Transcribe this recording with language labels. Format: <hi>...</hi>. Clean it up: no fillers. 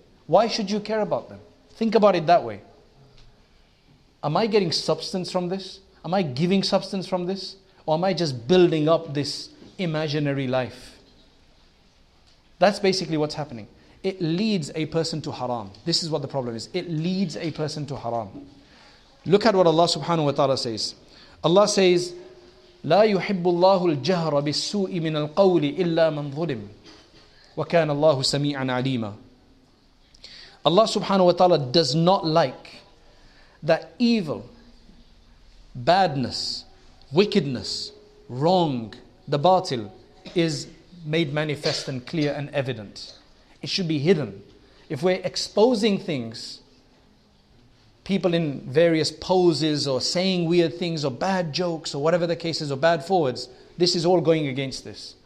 <en>Why should you care about them? Think about it that way. Am I getting substance from this? Am I giving substance from this? Or am I just building up this imaginary life? That's basically what's happening. It leads a person to haram. This is what the problem is. It leads a person to haram. Look at what Allah subhanahu wa ta'ala says. Allah says,</en> <ar>لَا يُحِبُّ اللَّهُ الْجَهْرَ بِالسُّوءِ مِنَ الْقَوْلِ إِلَّا مَنْ ظُلِمْ وَكَانَ اللَّهُ سَمِيعًا عَلِيمًا.</ar> <en>Allah subhanahu wa ta'ala does not like that evil, badness, wickedness, wrong, the batil, is made manifest and clear and evident. It should be hidden. If we're exposing things, people in various poses or saying weird things or bad jokes or whatever the case is, or bad forwards, this is all going against this.</en>